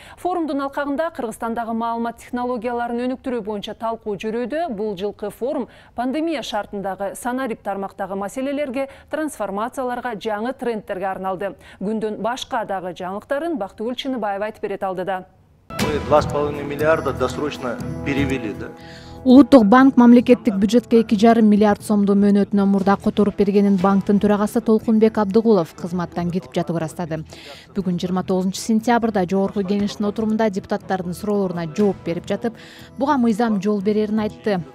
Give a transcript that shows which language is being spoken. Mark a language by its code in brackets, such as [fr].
[ky] Форумдун алкагында Кыргызстандагы маалымат технологияларын өнүктүрүү боюнча талкуу жүрүүдө. Бул жылкы форум пандемия шартындагы санарип тармактагы маселелерге, трансформацияларга, жаңы трендтерге арналды. Күндүн башка дагы жаңылыктарын Бактыгүл Чыныбаева айтып берет алдыда. [ru] Мы 2,5 миллиарда досрочно перевели, да. [ky] Улуттук банк мамлекеттик бюджетке 2,5 миллиард сомду мөөнөтүнө мурда которуп бергенин банктын төрагасы Толкунбек Абдыгулов кызматтан кетип жатып ырастады. Бүгүн 29 сентябрда Жогорку Кеңештин отурумунда депутаттардын суроолоруна жооп берип жатып, буга мыйзам жол берерин айтты.